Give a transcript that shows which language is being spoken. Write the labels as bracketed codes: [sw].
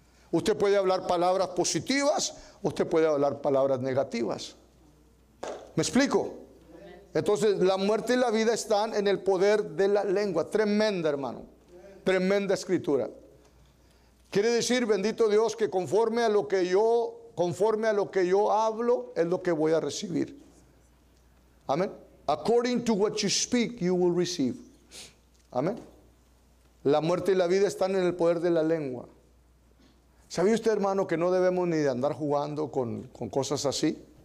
[es] Usted puede hablar palabras positivas, usted puede hablar palabras negativas. ¿Me explico? Entonces, la muerte y la vida están en el poder de la lengua. Tremenda, hermano. Tremenda escritura. Quiere decir, bendito Dios, que conforme a lo que yo hablo, es lo que voy a recibir. Amén. [en] According to what you speak, you will receive. [es] Amén. La muerte y la vida están en el poder de la lengua. ¿Sabía usted, hermano, que no debemos ni de andar jugando con cosas así?